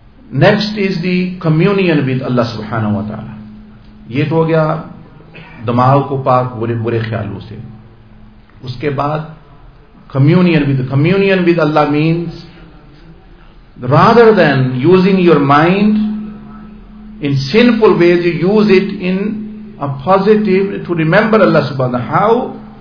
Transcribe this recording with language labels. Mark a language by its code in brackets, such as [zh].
[en] Next is the communion with Allah subhanahu wa ta'ala. [ur] یہ تو ہو گیا دماغ کو پاک برے برے خیالوں سے. اس کے بعد [en] communion with Allah means rather than using your mind in sinful ways, you use it in a positive to remember Allah subhanahu wa ta'ala. How?